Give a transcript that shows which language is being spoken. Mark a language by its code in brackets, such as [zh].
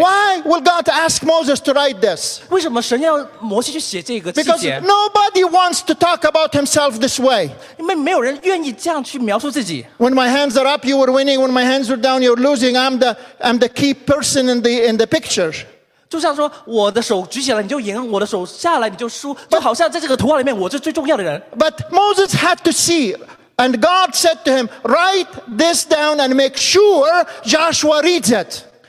[en] Why will God ask Moses to write this? [zh] 为什么神要摩西去写这个细节？ [en] Because nobody wants to talk about himself this way. [zh] 因为没有人愿意这样去描述自己。 [en] When my hands are up, you were winning. When my hands were down, you're losing. I'm the key person in the picture. [zh] 就像说我的手举起来你就赢，我的手下来你就输，就好像在这个图画里面我是最重要的人。 [en] But Moses had to see. And God said to him, write this down and make sure Joshua reads it.